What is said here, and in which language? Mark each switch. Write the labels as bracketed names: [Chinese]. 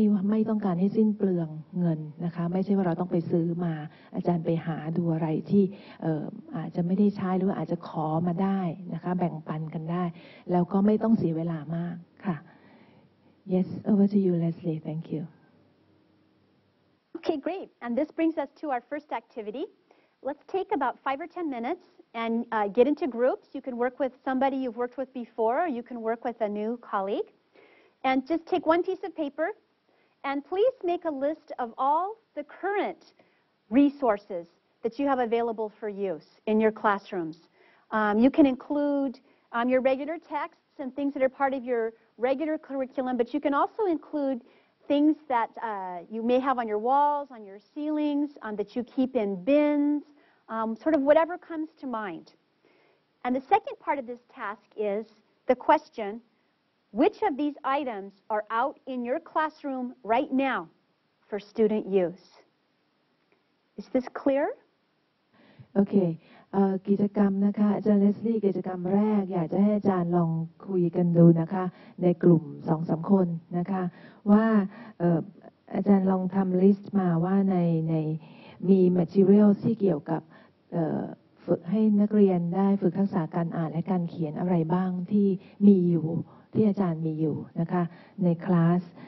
[Thai] ไม่ต้องการให้สิ้นเปลืองเงินนะคะไม่ใช่ว่าเราต้องไปซื้อมาอาจารย์ไปหาดูอะไรที่อาจจะไม่ได้ใช้หรืออาจจะขอมาได้นะคะแบ่งปันกันได้แล้วก็ไม่ต้องเสียเวลามากค่ะ [English] Yes over to you Leslie thank you Okay, great. And this brings us to our first activity. Let's take about 5 or 10 minutes and get into groups. You can work with somebody you've worked with before, or you can work with a new colleague. And just take one piece of paper, and please make a list of all the current resources that you have available for use in your classrooms. You can include your regular texts and things that are part of your regular curriculum, but you can also includethings that you may have on your walls, on your ceilings, that you keep in bins, sort of whatever comes to mind. And the second part of this task is the question, which of these items are out in your classroom right now for student use? Is this clear? Okay. [Thai] กิจกรรมนะคะอาจารย์เลสลี่กิจกรรมแรกอยากจะให้อาจารย์ลองคุยกันดูนะคะในกลุ่ม 2-3 คนนะคะว่าอาจารย์ลองทำลิสต์มาว่าในมี material ที่เกี่ยวกับฝึกให้นักเรียนได้ฝึกทักษะการอ่านและการเขียนอะไรบ้างที่มีอยู่ที่อาจารย์มีอยู่นะคะในคลาส